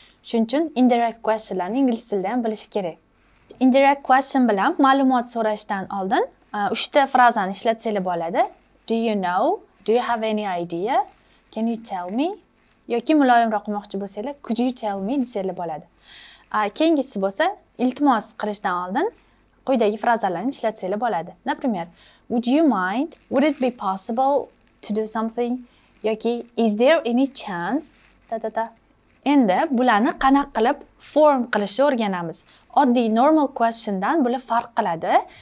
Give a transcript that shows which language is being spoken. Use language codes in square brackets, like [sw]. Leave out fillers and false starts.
[uz] Shuning uchun indirect questions-larni ingliz tilida ham bilish kerak. Indirect question bilan ma'lumot so'rashdan oldin uchta frazani ishlatsangiz bo'ladi. [en] Do you know? Do you have any idea? Can you tell me? [uz] Yoki muloyimroq qilmoqchi bo'lsangiz, [en] could you tell me [uz] desangiz bo'ladi. Keyingisi bo'lsa, iltimos qilishdan oldin quyidagi frazalarni ishlatsangiz bo'ladi. [ru] Например, [en] would you mind? Would it be possible to do something? [uz] Yoki [en] is there any chance? Ta-ta-ta. [uz] Endi bularni qanaqa qilib form qilishni o'rganamiz. Oddiy normal questiondan bular farq qiladi.